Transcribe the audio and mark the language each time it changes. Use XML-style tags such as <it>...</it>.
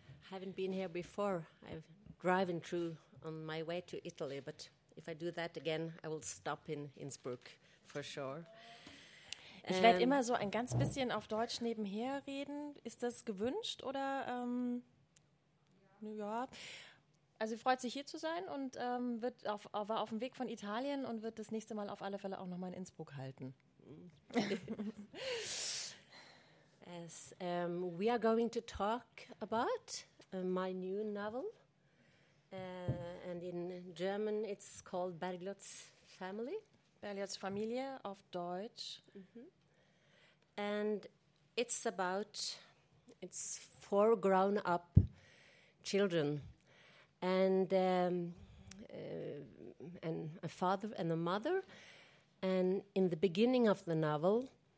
<en>I haven't been here before. I've driven through on my way to Italy, but if I do that again, I will stop in Innsbruck for sure.</en> <de>Ich werde immer so ein ganz bisschen auf Deutsch nebenher reden. Ist das gewünscht oder? Ja. Also sie freut sich hier zu sein und war auf dem Weg von Italien und wird das nächste Mal auf alle Fälle auch nochmal in Innsbruck halten.</de> <en>As we are going to talk about my new novel, and in German it's called Bergljots Family.</en> <de>Bergljots Familie auf Deutsch.</de> <en>And it's four grown-up children, and a father and a mother, and in the beginning of the novel.</en>